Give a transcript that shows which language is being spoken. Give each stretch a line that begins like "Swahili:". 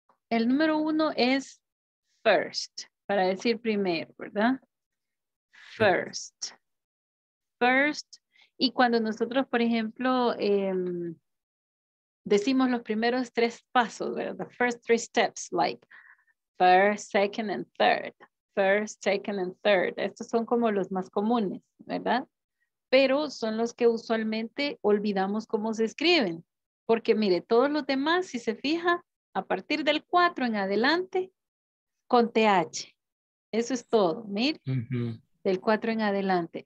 Spanish: El número uno es first, para decir primero, ¿verdad? First. First, y cuando nosotros, por ejemplo, decimos los primeros tres pasos, ¿verdad?
English: The first three steps, like first, second, and third. First, second, and third.
Spanish: Estos son como los más comunes, ¿verdad? Pero son los que usualmente olvidamos cómo se escriben. Porque mire, todos los demás, si se fija, a partir del 4 en adelante, con TH. Eso es todo, mire. Uh-huh. Del 4 en adelante.